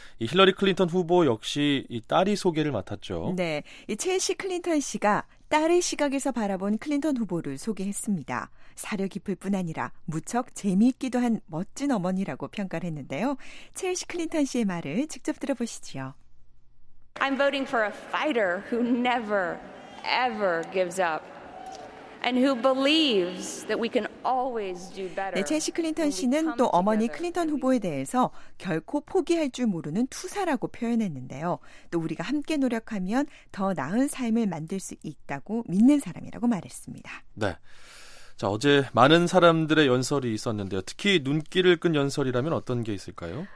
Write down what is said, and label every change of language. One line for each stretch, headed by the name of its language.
Korean: 이 힐러리 클린턴 후보 역시 이 딸이 소개를 맡았죠. 네, 이 첼시 클린턴 씨가 딸의 시각에서 바라본 클린턴 후보를 소개했습니다. 사려 깊을 뿐 아니라 무척 재미있기도 한 멋진 어머니라고 평가를 했는데요. 첼시 클린턴 씨의 말을 직접 들어보시죠.
English: I'm voting for a fighter who never, ever gives up. And who believes that we can always do better.
Korean: 네, 첼시 클린턴 씨는 또 어머니 클린턴 후보에 대해서 결코 포기할 줄 모르는 투사라고 표현했는데요. 또 우리가 함께 노력하면 더 나은 삶을 만들 수 있다고 믿는 사람이라고 말했습니다. 네. 자, 어제 많은 사람들의 연설이 있었는데요. 특히 눈길을 끈 연설이라면 어떤 게 있을까요?